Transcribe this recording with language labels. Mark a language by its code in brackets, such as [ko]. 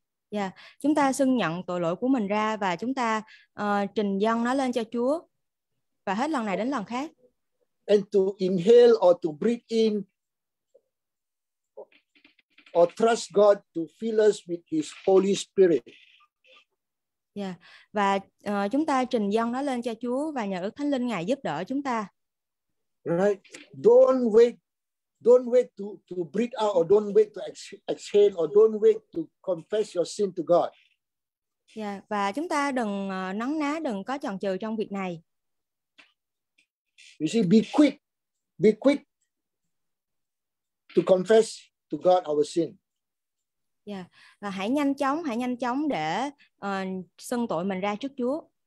[vi] Yeah, chúng ta xưng nhận tội lỗi của mình ra và chúng ta trình dâng nó lên cho Chúa. Và hết lần này đến lần khác. [en] And to inhale or to breathe in or trust God to fill us with his Holy Spirit. Yeah. [vi] Và chúng ta trình dâng nó lên cho Chúa và nhờ Đức Thánh Linh Ngài giúp đỡ chúng ta. [en] Right. Don't wait to breathe out or don't wait to exhale or don't wait to confess your sin to God. [vi] Yeah, và chúng ta đừng nắng ná, đừng có chần chừ trong việc này. [en] You see, be quick to confess to God our sin. [vi] Yeah, và hãy nhanh chóng để xưng tội mình ra trước Chúa.